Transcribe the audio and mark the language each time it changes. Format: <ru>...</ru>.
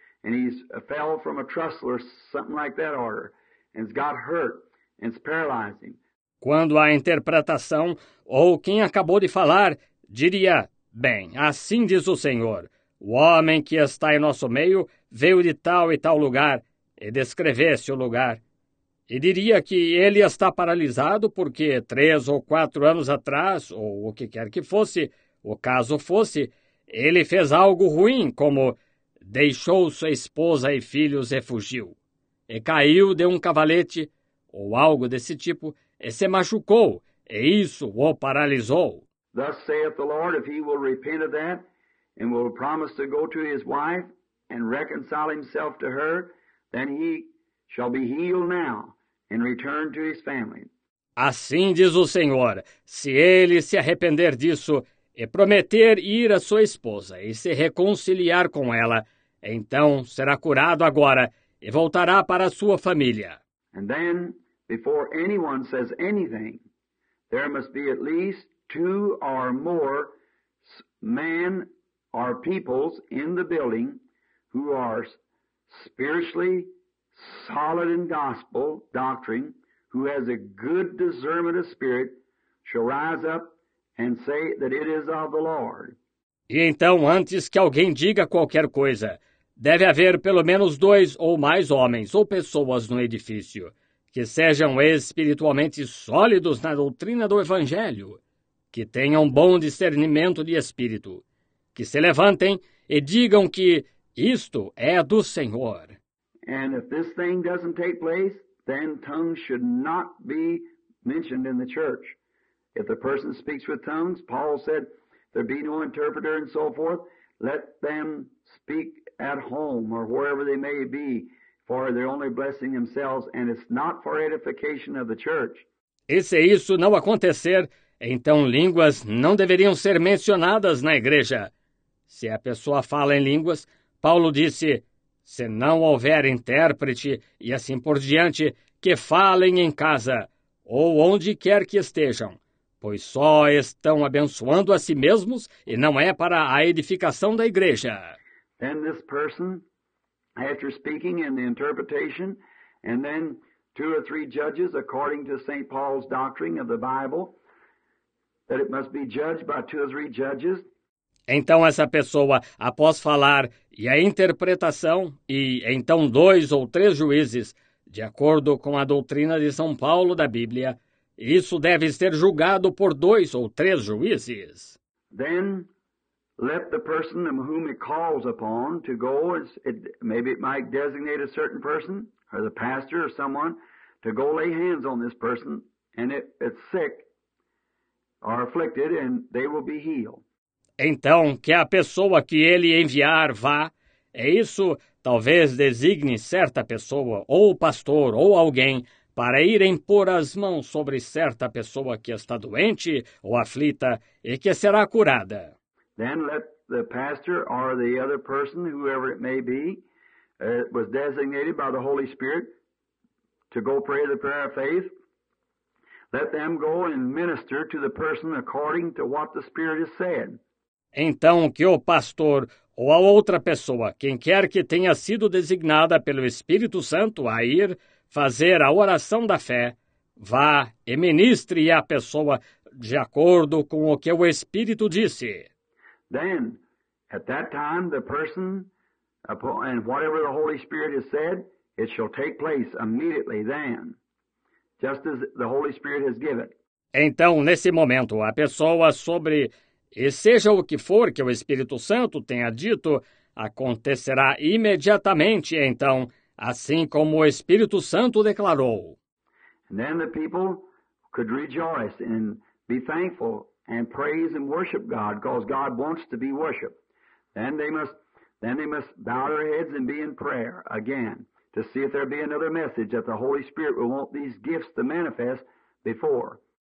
<en>And he's fell from a trestle or something like that order, and has got hurt, and it's paralyzing.</en> <pt>Quando a interpretação, ou quem acabou de falar, diria, bem, assim diz o Senhor, o homem que está em nosso meio veio de tal e tal lugar, e descrevesse o lugar. E diria que ele está paralisado porque 3 ou 4 anos atrás, ou o que quer que fosse, o caso fosse, ele fez algo ruim, como deixou sua esposa e filhos e fugiu, e caiu de um cavalete, ou algo desse tipo, e se machucou, e isso o paralisou.</pt> <en>Thus saith the Lord, if he will repent of that, and will promise to go to his wife, and reconcile himself to her, then he shall be healed now, and return to his family.</en> <pt>Assim diz o Senhor, se ele se arrepender disso, e prometer ir à sua esposa, e se reconciliar com ela, então será curado agora, e voltará para a sua família.</pt> <en>And then, before anyone says anything, there must be at least 2 or more men or peoples in the building who are spiritually solid in gospel doctrine, who has a good discernment of spirit, shall rise up and say that it is of the Lord.</en> <pt>E então, antes que alguém diga qualquer coisa, deve haver pelo menos 2 ou mais homens ou pessoas no edifício que sejam espiritualmente sólidos na doutrina do Evangelho, que tenham bom discernimento de espírito, que se levantem e digam que isto é do Senhor.</pt> <en>And if this thing doesn't take place, then tongues should not be mentioned in the church. If the person speaks with tongues, Paul said, there be no interpreter and so forth, let them speak at home or wherever they may be, for they're only blessing themselves, and it's not for edification of the church.</en> <pt>E se isso não acontecer, então línguas não deveriam ser mencionadas na igreja. Se a pessoa fala em línguas, Paulo disse, se não houver intérprete e assim por diante, que falem em casa ou onde quer que estejam, pois só estão abençoando a si mesmos e não é para a edificação da igreja.</pt> <en>Then this person, after speaking in the interpretation, and then 2 or 3 judges according to St. Paul's doctrine of the Bible, that it must be judged by 2 or 3 judges.</en> <pt>Então essa pessoa, após falar e a interpretação, e então 2 ou 3 juízes, de acordo com a doutrina de São Paulo da Bíblia, isso deve ser julgado por 2 ou 3 juízes.</pt> <en>Then, let the person whom it calls upon to go, maybe it might designate a certain person, or the pastor or someone, to go lay hands on this person, and it's sick, or afflicted, and they will be healed.</en> <pt>Então, que a pessoa que ele enviar vá, é isso, talvez designe certa pessoa, ou pastor, ou alguém, para irem pôr as mãos sobre certa pessoa que está doente ou aflita e que será curada.</pt> <en>Then let the pastor or the other person, whoever it may be, was designated by the Holy Spirit to go pray the prayer of faith. Let them go and minister to the person according to what the Spirit has said.</en> <pt>Então que o pastor ou a outra pessoa, quem quer que tenha sido designada pelo Espírito Santo a ir fazer a oração da fé, vá e ministre à pessoa de acordo com o que o Espírito disse.</pt> <en>Then, at that time, the person, and whatever the Holy Spirit has said, it shall take place immediately then, just as the Holy Spirit has given.</en> <pt>Então, nesse momento, a pessoa sobre, e seja o que for que o Espírito Santo tenha dito, acontecerá imediatamente, então, assim como o Espírito Santo declarou.</pt> <en>And then the people could rejoice and be thankful and praise and worship God, because God wants to be worshipped. Then they must bow their heads and be in prayer again to see if there be another message that the Holy Spirit will want these gifts to manifest before.</en>